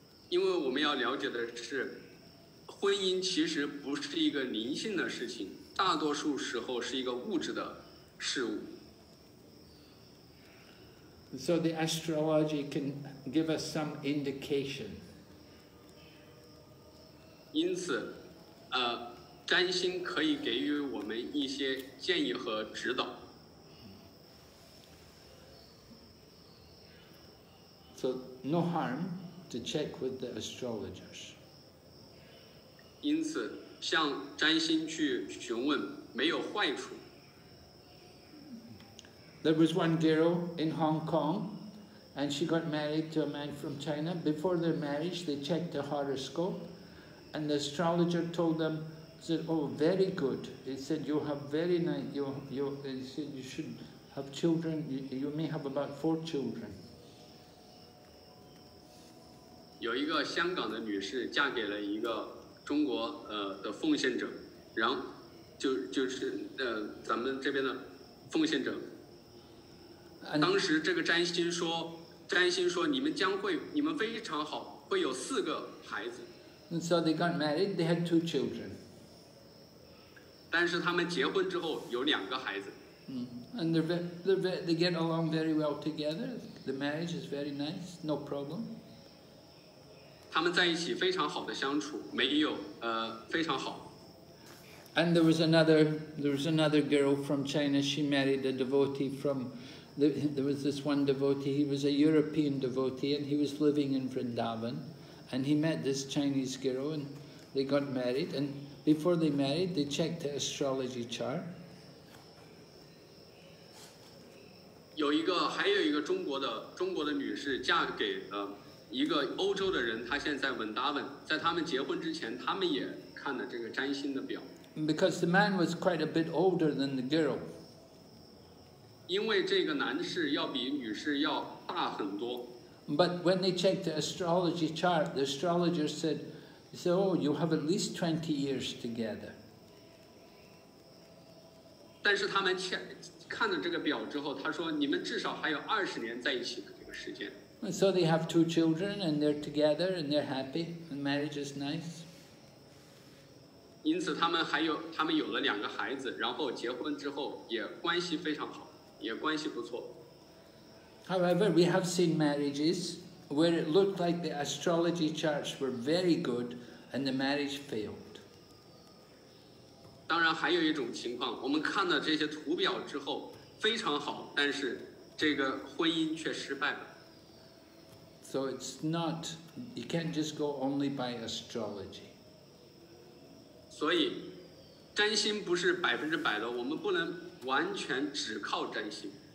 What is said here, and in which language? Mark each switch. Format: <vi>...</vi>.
<zh>因为我们要了解的是，婚姻其实不是一个灵性的事情，大多数时候是一个物质的事物。</zh> <en>So the astrology can give us some indication.</en> <zh>因此，占星可以给予我们一些建议和指导。</zh> <en>So no harm to check with the astrologers.</en> <zh>因此，向占星去询问没有坏处。</zh> <en>There was one girl in Hong Kong, and she got married to a man from China. Before their marriage, they checked the horoscope, and the astrologer told them, said, "Oh, very good." He said, "You have very nice. You he said you should have children. You may have about 4 children."</en> <zh>有一个香港的女士嫁给了一个中国的奉献者，然后就是咱们这边的奉献者。当时这个占星说你们非常好，会有四个孩子。</zh> <en>And so they got married, they had 2 children.</en> <zh>但是他们结婚之后有两个孩子。</zh> <en>And they get along very well together. The marriage is very nice, no problem.</en> <zh>他们在一起非常好的相处，没有非常好。</zh> <en>And there was another girl from China. She married a devotee from. There was this one devotee. He was a European devotee, and he was living in Vrindavan. And he met this Chinese girl, and they got married. And before they married, they checked the astrology chart.</en> <zh>还有一个中国的女士嫁给一个欧洲的人，他现在稳达稳，在他们结婚之前，他们也看了这个占星的表。</zh> <en>Because the man was quite a bit older than the girl.</en> <zh>因为这个男士要比女士要大很多。</zh> <en>But when they checked the astrology chart, the astrologer said, "Oh, you have at least 20 years together."</en> <zh>但是他们看了这个表之后，他说，你们至少还有20年在一起的这个时间。</zh> <en>And so they have 2 children, and they're together, and they're happy, and marriage is nice.</en> <zh>因此他们有了两个孩子，然后结婚之后也关系非常好，也关系不错。</zh> <en>However, we have seen marriages where it looked like the astrology charts were very good, and the marriage failed.</en> <zh>当然还有一种情况，我们看了这些图表之后非常好，但是这个婚姻却失败了。</zh> <en>So it's not, you can't just go only by astrology.</en> <zh>所以占星不是百分之百的，我们不能完全只靠占星。</zh>